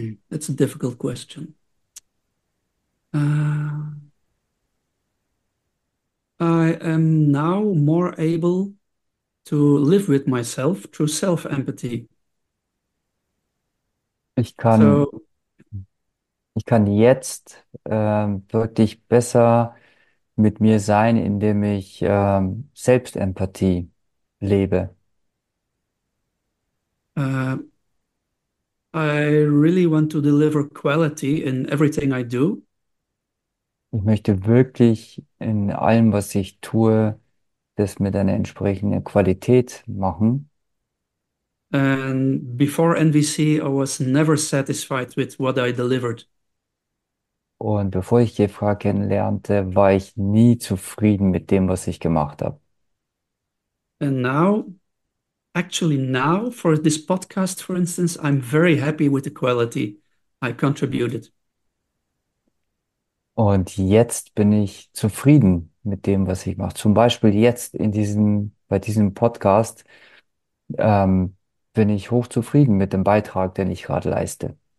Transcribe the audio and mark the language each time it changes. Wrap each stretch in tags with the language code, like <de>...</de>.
<en>That's a difficult question. I am now more able to live with myself through self-empathy. So.</en> <de>Ich kann jetzt wirklich besser mit mir sein, indem ich Selbstempathie lebe.</de> <en>I really want to deliver quality in everything I do.</en> <de>Ich möchte wirklich in allem, was ich tue, das mit einer entsprechenden Qualität machen.</de> <en>And before NVC, I was never satisfied with what I delivered.</en> <de>Und bevor ich GFK kennenlernte, war ich nie zufrieden mit dem, was ich gemacht habe.</de> <en>And now. Actually, now for this podcast, for instance, I'm very happy with the quality I contributed.</en> <de>Und jetzt bin ich zufrieden mit dem, was ich mache. Zum Beispiel jetzt bei diesem Podcast, bin ich hochzufrieden mit dem Beitrag, den ich gerade leiste.</de>